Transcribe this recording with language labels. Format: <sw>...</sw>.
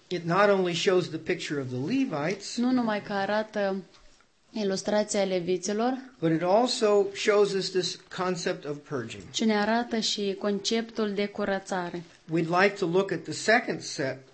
<en>It not only shows the picture of the Levites.</en> <ro>Nu numai că arată ilustrația leviților.</ro> <en>But it also shows us this concept of purging.</en> <ro>Ci ne arată și conceptul de curățare.</ro> <en>We'd like to look at the second set.</en>